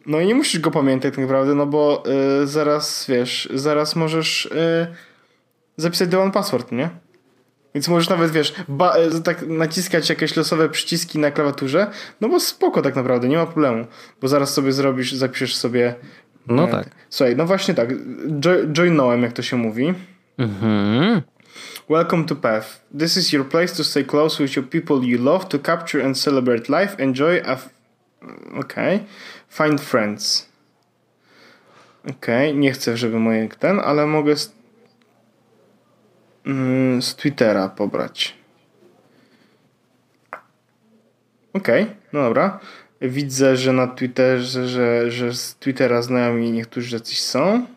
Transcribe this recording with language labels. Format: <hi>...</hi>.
<pl>No i nie musisz go pamiętać tak naprawdę, no bo zaraz, wiesz, zaraz możesz zapisać do 1Password, nie? Więc możesz nawet, wiesz, tak naciskać jakieś losowe przyciski na klawiaturze, no bo spoko tak naprawdę, nie ma problemu, bo zaraz sobie zrobisz, zapiszesz sobie... No tak. Słuchaj, no właśnie tak, joinąłem, jak to się mówi. Mhm.</pl> <en>Welcome to PATH. This is your place to stay close with your people you love, to capture and celebrate life, enjoy a...</en> <pl>Okej. Okay.</pl> <en>Find friends.</en> <pl>Okej, okay. Nie chcę, żeby mój ten, ale mogę... z Twittera pobrać. Okej, okay, no dobra. Widzę, że na Twitterze, że z Twittera znajomi niektórzy jacyś są.</pl>